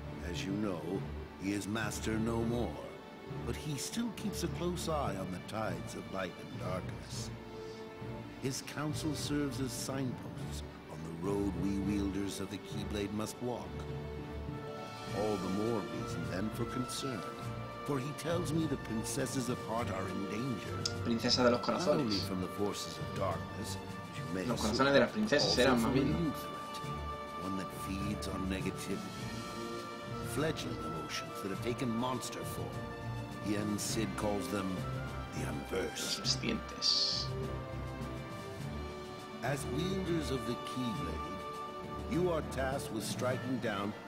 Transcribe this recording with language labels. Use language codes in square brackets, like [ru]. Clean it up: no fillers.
[en] As you know, he is master no more. But he still keeps a close eye on the tides of light and darkness. His counsel serves as signposts on the road we wielders of the Keyblade must walk. All the more reason then for concern, for he tells me the princesses of heart are in danger. [es] Princesa de los corazones. [en] Not only from the forces of darkness, [es] los corazones de las princesas eran más bien, ¿no? [en] One that feeds on negativity, fledgling emotions that have taken monster form. Yen Sid calls them the Unversed. As wielders of the Keyblade, you are tasked with striking down